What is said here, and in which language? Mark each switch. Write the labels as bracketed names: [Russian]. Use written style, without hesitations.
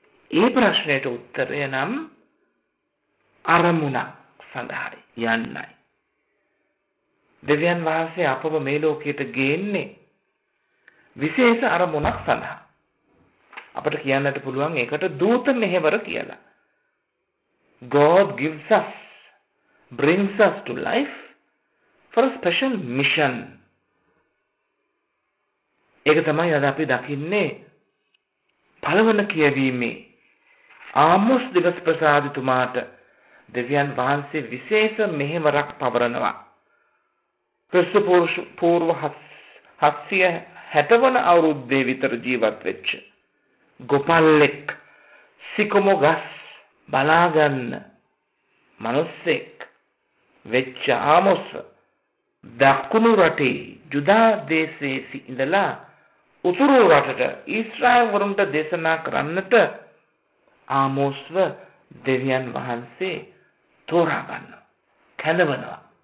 [Sinhala] ඒ ප්‍රශ්නයට උත්තරය නම් අරමුණක් සඳහායි යන්නයි. දෙවියන් වහන්සේ අපව මේ ලෝකයට ගේන්නේ විශේෂ අරමුණක් සඳහා. අපට කියන්නට පුළුවන් ඒකට දූත මෙහෙවර කියලා. [English] God gives us, brings us to life for a special mission. [Sinhala] ඒක තමයි අද අපි දකින්නේ පළවන කියවීමේ ආමොස් දිවස් ප්‍රසාදතුමාට දෙවියන් වහන්සේ විශේෂ මෙහෙවරක් පවරනවා. ක්‍රිස්තු පූර්ව 760 වන අවුරුද්දේ විතර ජීවත් වෙච්ච ගොපල්ලෙක් සිකොමොගස් බලාගන්න මනුස්සෙක් වෙච්ච ආමොස් දකුණු රටේ ජුදා දේශයේ ඉඳලා උතුරු රටට ඊශ්‍රායෙල් වරුන්ට දේශනා කරන්නට ආමොස්ව දෙවියන් වහන්සේ තෝරා ගන්න කැඳවනවා.